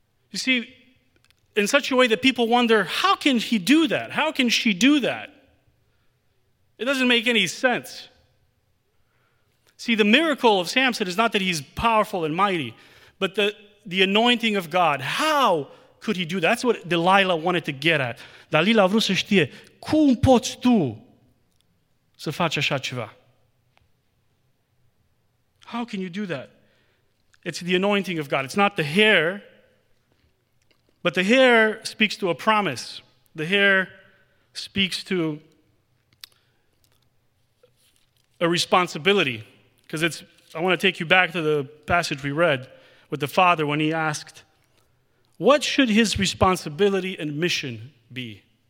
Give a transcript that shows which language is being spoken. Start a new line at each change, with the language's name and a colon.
English: You see, in such a way that people wonder, how can he do that? How can she do that? It doesn't make any sense. See, the miracle of Samson is not that he's powerful and mighty, but the anointing of God. How could he do that? That's what Delilah wanted to get at.
Romanian: Dalila a vrut să știe, cum poți tu să faci așa ceva?
English: How can you do that? It's the anointing of God. It's not the hair, but the hair speaks to a promise. The hair speaks to a responsibility. Because it's, I want to take you back to the passage we read with the father when he asked, what should his responsibility and mission be?